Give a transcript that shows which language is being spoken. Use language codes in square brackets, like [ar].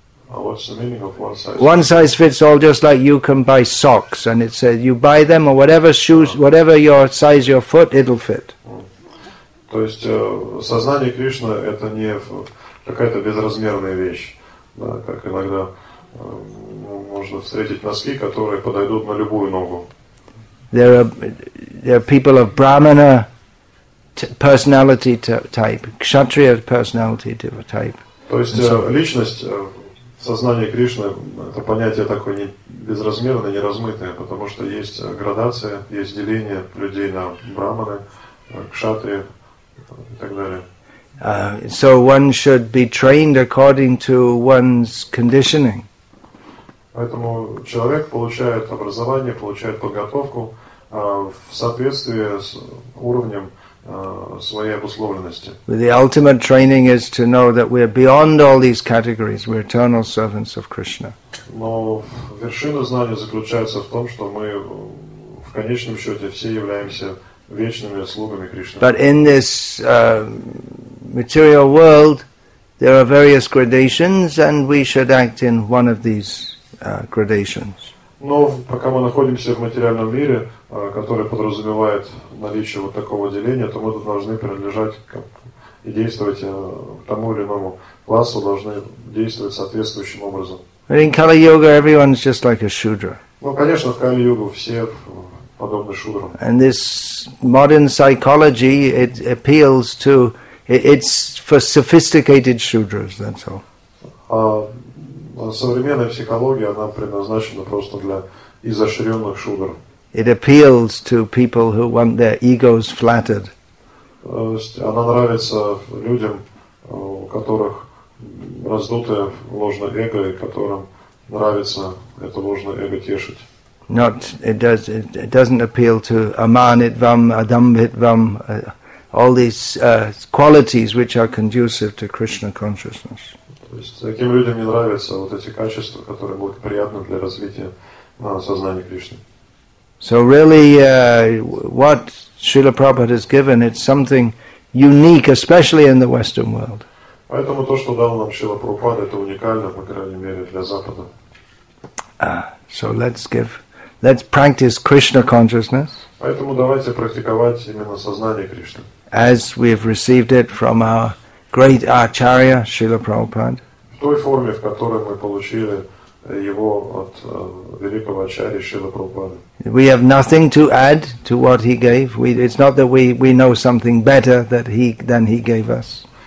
[en] What's the meaning of one-size-fits-all? One-size-fits-all, just like you can buy socks, and it says you buy them, or whatever shoes, whatever your size, your foot, it'll fit. [ru] То есть сознание Кришны – это не какая-то безразмерная вещь, да, как иногда можно встретить носки, которые подойдут на любую ногу. [en] There are people of Brahmana personality type, Kshatriya personality type. [ru] То есть личность, сознание Кришны – это понятие такое не безразмерное, не размытое, потому что есть градация, есть деление людей на Брахманы, Кшатрия и так далее. [en] So one should be trained according to one's conditioning. [ru] Поэтому человек получает образование, получает подготовку в соответствии с уровнем своей обусловленности. [en] The ultimate training is to know that we are beyond all these categories. We are eternal servants of Krishna. [ru] Но вершина знания заключается в том, что мы в конечном счете все являемся вечными слугами Кришны. [en] But in this material world, there are various gradations, and we should act in one of these gradations. [ru] Но пока мы находимся в материальном мире, который подразумевает наличие вот такого деления, то мы должны принадлежать и действовать тому или иному классу, должны действовать соответствующим образом. [en] But in Kali Yuga, everyone is just like a shudra. [ru] Ну, конечно, в Kali Yuga все подобны шудрам. [en] And this modern psychology, it appeals to, it's for sophisticated shudras, that's all. [ru] Современная психология, она предназначена просто для изощренных шудр. [en] It appeals to people who want their egos flattered. [ru] Она нравится людям, у которых раздутое ложное эго, и которым нравится это ложное эго тешить. [en] Not it doesn't appeal to amanitvam, adambitvam, all these qualities which are conducive to Krishna consciousness. [ru] То есть таким людям не нравятся вот эти качества, которые будут приятны для развития сознания Кришны. [en] So really, what Srila Prabhupada has given, it's something unique, especially in the Western world. [ru] Поэтому то, что дал нам Шрила Прабхупада, это уникально, по крайней мере, для Запада. [en] So let's practice Krishna consciousness. [ru] Поэтому давайте практиковать именно сознание Кришны. [en] As we have received it from our great Acharya, Srila Prabhupada. [ru] В той форме, в которой мы получили его от великого Ачарьи Шрилы Прабхупады. [en] We have nothing to add to what he gave. It's not that we know something better than he gave us.